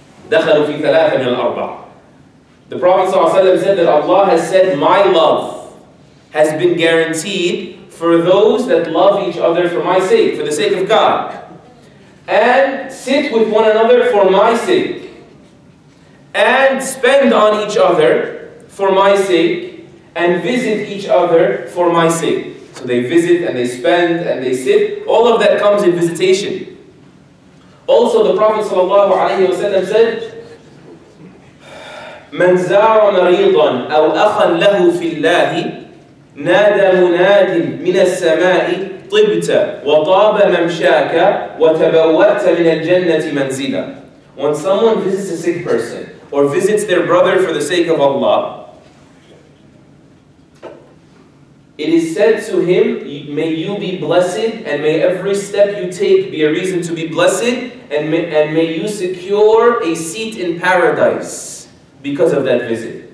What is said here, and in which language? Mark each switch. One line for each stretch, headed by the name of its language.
English: دَخَلُوا فِي ثَلَاثَ مِنَ الْأَرْبَعَ The Prophet ﷺ said that Allah has said, my love has been guaranteed for those that love each other for my sake, for the sake of God, and sit with one another for my sake, and spend on each other for my sake, and visit each other for my sake. So they visit and they spend and they sit. All of that comes in visitation.
Arabic: Also, the Prophet sallallahu alaihi wasallam said, "من زار مريضا أو أخا له في الله نادى مناد من السماء طبت وطاب ممشاك وتبوأت من الجنة منزلا."
English: When someone visits a sick person or visits their brother for the sake of Allah, it is said to him, may you be blessed, and may every step you take be a reason to be blessed, and may you secure a seat in paradise because of that visit.